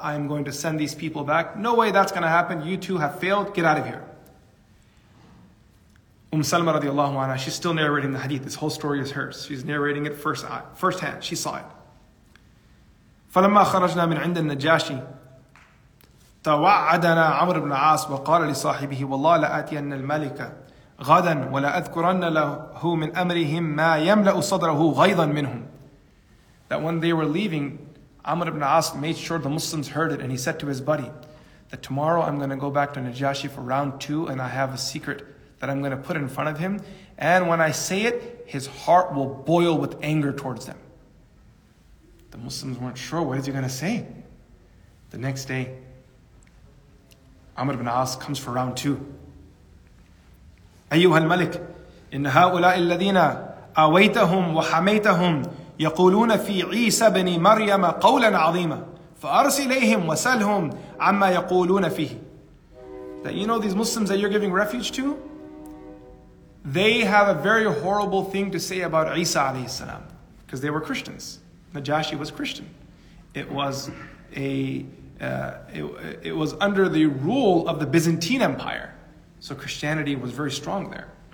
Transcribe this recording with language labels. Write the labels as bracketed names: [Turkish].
[English] I'm going to send these people back. No way that's going to happen. You two have failed. Get out of here. Salma radiallahu anha, she's still narrating the hadith. This whole story is hers. She's narrating it firsthand. She saw it. [Arabic] فَلَمَّا خَرَجْنَا مِنْ عِنْدَ النَّجَاشِ توعدنا عمرو بن العاص وقال لصاحبه والله لآتين الملك غدا ولا أذكرن له من أمرهم ما يملأ صدره غيظا منهم. [English] That when they were leaving, Amr ibn As made sure the Muslims heard it, and he said to his buddy that tomorrow I'm going to go back to Najashi for round two, and I have a secret that I'm going to put in front of him, and when I say it, his heart will boil with anger towards them. The Muslims weren't sure, what is he going to say? The next day, Amr ibn As comes for round two. [Arabic] أيها الملك إن هؤلاء الذين أويتهم وحميتهم يقولون في عيسى بن مريم قولا عظيما فأرسل إليهم وسألهم عما يقولون فيه. [English] That you know these Muslims that you're giving refuge to, they have a very horrible thing to say about Isa alayhi salam, because they were Christians. Najashi was Christian. It was under the rule of the Byzantine Empire, so Christianity was very strong there.